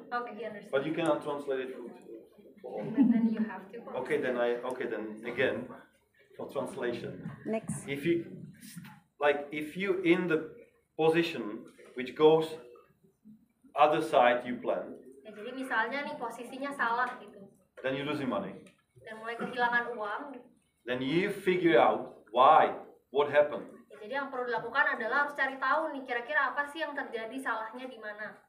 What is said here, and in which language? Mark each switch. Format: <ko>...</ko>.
<en>Okay, he understands. But you cannot translate it for. Then you have to. Okay, then again, for translation. Next. If you in the position which goes other side you plan.</en> <id>Jadi misalnya nih posisinya salah gitu.</id> <en>Then you losing money.</en> <id>Dan mulai kehilangan uang.</id> <en>Then you figure out why, what happened.</en> <id>Ya, jadi yang perlu dilakukan adalah harus cari tahu nih kira-kira apa sih yang terjadi, salahnya di mana.</id>